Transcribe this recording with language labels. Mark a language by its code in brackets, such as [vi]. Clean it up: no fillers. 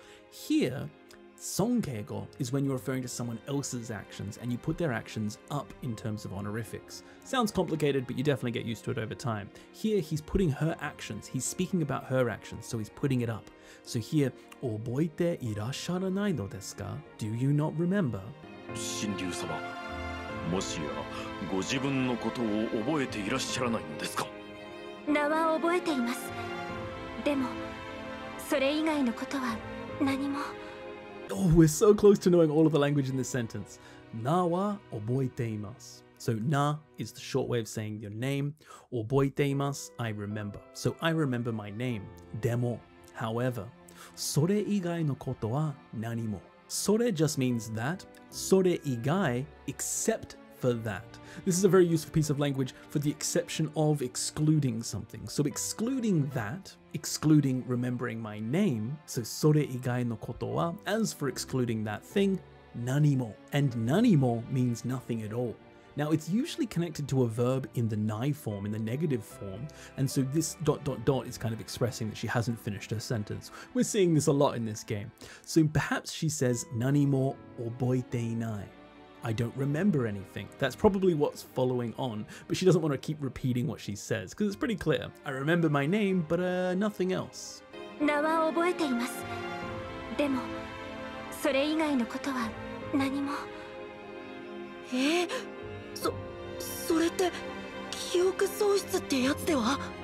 [en] Here, 尊敬語 is when you're referring to someone else's actions and you put their actions up in terms of honorifics. Sounds complicated, but you definitely get used to it over time. Here, he's putting her actions. He's speaking about her actions, so he's putting it up. So here, [ja] 覚えていらっしゃらないのですか? [en] Do you not remember? [ja] 神竜様、もしやご自分のことを覚えていらっしゃらないのですか? 名は覚えています。でも、それ以外のことは何も… [en] Oh, we're so close to knowing all of the language in this sentence. [ja] Na wa oboite imasu. [en] So na is the short way of saying your name. [ja] Oboite imasu, [en] I remember. So I remember my name. [ja] Demo, [en] however. [ja] Sore igai no koto wa nani mo. [en] Sore just means that. [ja] Sore igai, [en] except for that. This is a very useful piece of language for the exception of excluding something. So excluding that, excluding remembering my name, so [ja] それ以外のことは, [en] as for excluding that thing, 何も. And 何も means nothing at all. Now it's usually connected to a verb in the ni form, in the negative form, and so this dot dot dot is kind of expressing that she hasn't finished her sentence. We're seeing this a lot in this game. So perhaps she says [ja] 何も覚えていない。 [en] I don't remember anything. That's probably what's following on, but she doesn't want to keep repeating what she says, because it's pretty clear. I remember my name, but nothing else. [ja] 名は覚えています。でも、それ以外のことは何も。それって記憶喪失ってやつでは?